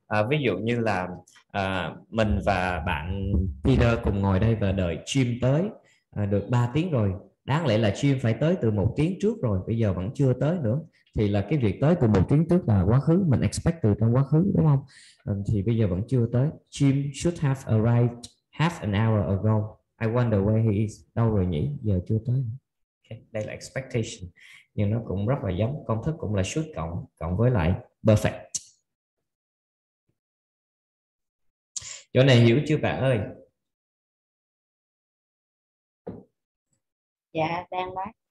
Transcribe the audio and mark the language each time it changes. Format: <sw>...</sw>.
<vi>Ví dụ như là mình và bạn Peter cùng ngồi đây và đợi Jim tới được 3 tiếng rồi. Đáng lẽ là Jim phải tới từ 1 tiếng trước rồi, bây giờ vẫn chưa tới nữa. Thì là cái việc tới từ 1 tiếng trước là quá khứ, mình expect từ trong quá khứ đúng không? Thì bây giờ vẫn chưa tới.</vi> <en>Jim should have arrived half an hour ago. I wonder where he is.</en> <vi>Đâu rồi nhỉ? Giờ chưa tới. Okay. Đây là expectation. Nhưng nó cũng rất là giống. Công thức cũng là should cộng với lại perfect. Chỗ này hiểu chưa bạn ơi? Dạ, đang bác.</vi>